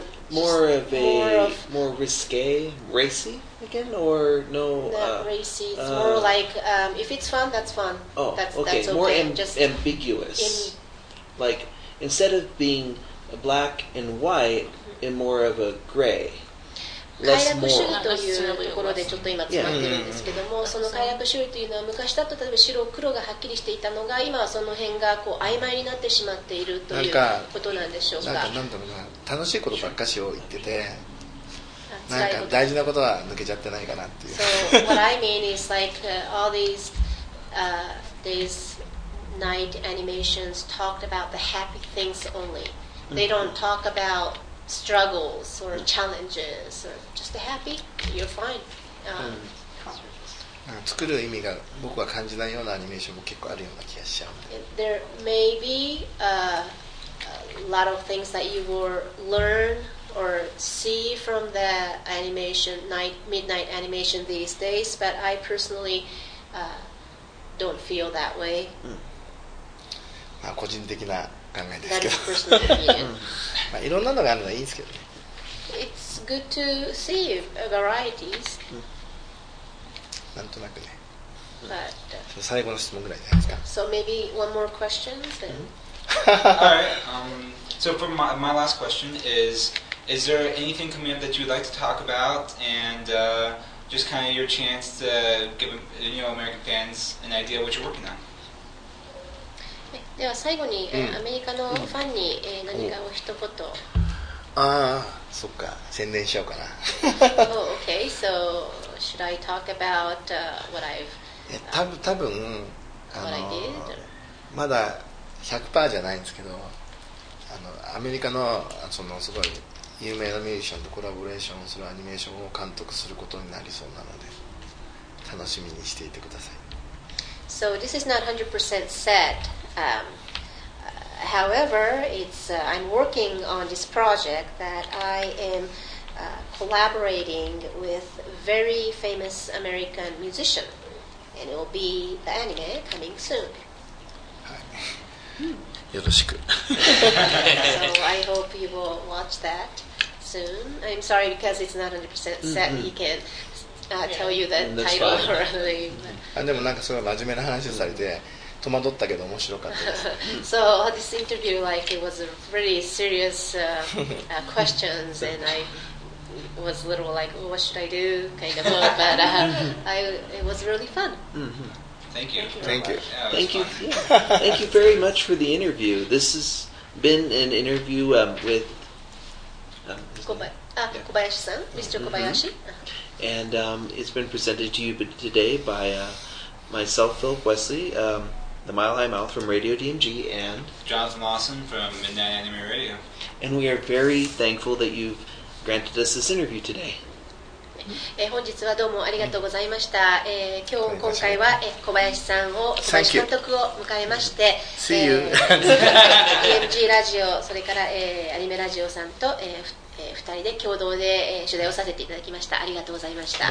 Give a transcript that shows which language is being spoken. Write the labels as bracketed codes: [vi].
[en] More risque, racy again, or no? Not racy. It's more like if it's fun, that's fun. Oh, that's okay. That's more okay. ambiguous. Like instead of being black and white, mm-hmm. in more of a gray. [ja] 快楽主義というところでちょっと今詰まってるんですけども、その快楽主義というのは昔だと例えば白黒がはっきりしていたのが今はその辺がこう曖昧になってしまっているということなんでしょうか。なんかなんだろうな、楽しいことばっかしを言ってて、なんか大事なことは抜けちゃってないかなっていう。 [en] So what I mean is like all these these night animations talked about the happy things only. They don't talk aboutstruggles or challenges or just happy, you're fine. [ja] 作る意味が僕は感じないようなアニメーションも結構あるような気がしちゃう。 [en] There may be a lot of things that you will learn or see from the animation, midnight animation these days, but I personally don't feel that way. [ja] 個人的な考えですけど。まあ、いろんなのがあるのはいいんですけどね。 [en] It's good to see varieties. [ja] なんとなくね。 [en] But, [ja] 最後の質問ぐらいじゃないですか。 [en] So maybe one more question then. Alright. So for my last question is there anything coming up that you would like to talk about and just kind of your chance to give you know American fans an idea of what you're working on? [ja] では最後に、アメリカのファンに、何かお一言。ああ、そっか、宣伝しようかな。 [en] Oh, okay, so should I talk about what I've? [ja] 多分、 [en] what I did? [ja] まだ 100% じゃないんですけど、アメリカのそのすごい有名なミュージシャンとコラボレーションをするアニメーションを監督することになりそうなので、楽しみにしていてください。 [en] So this is not 100% set. However, I'm working on this project that I am collaborating with very famous American musician, and it will be the anime coming soon. [ja] よろしく。 [en] So I hope you will watch that soon. I'm sorry because it's not 100% set. Mm-hmm. [ja] でもなんかすごい真面目な話をされて戸惑ったけど面白かったです。 [en] So this interview like it was really serious questions and I was little like what should I do kind of mode, but it was really fun. Thank you very much for the interview. This has been an interview with Kobayashi-san, Mr. Kobayashi. And it's been presented to you today by myself, Philip Wesley, the Mile High Mouth from Radio DMG, and Jonathan Lawson from Midnight Anime Radio. And we are very thankful that you've granted us this interview today. [ja] 本日はどうもありがとうございました。今回は小林監督を迎えまして、 [en] See you. [ja] DMG ラジオ、それからアニメラジオさんと、2人で共同で、取材をさせていただきました。ありがとうございました。